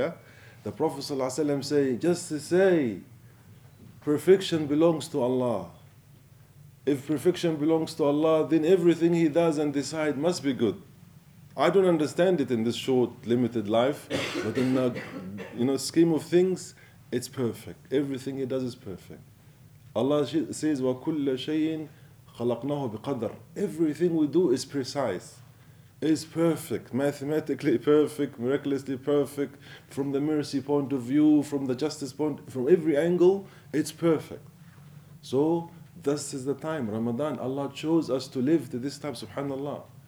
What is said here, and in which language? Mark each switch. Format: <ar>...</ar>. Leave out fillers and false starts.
<en>Yeah, the Prophet Sallallahu Alaihi Wasallam say, just to say, perfection belongs to Allah. If perfection belongs to Allah, then everything He does and decides must be good. I don't understand it in this short, limited life, but in the scheme of things, it's perfect. Everything He does is perfect. Allah says,</en> <ar>وَكُلَّ شَيْءٍ خَلَقْنَاهُ بِقَدْرٍ.</ar> <en>Everything we do is precise, is perfect, mathematically perfect, miraculously perfect, from the mercy point of view, from the justice point, from every angle, it's perfect. So, this is the time, Ramadan. Allah chose us to live to this time, subhanAllah.</en>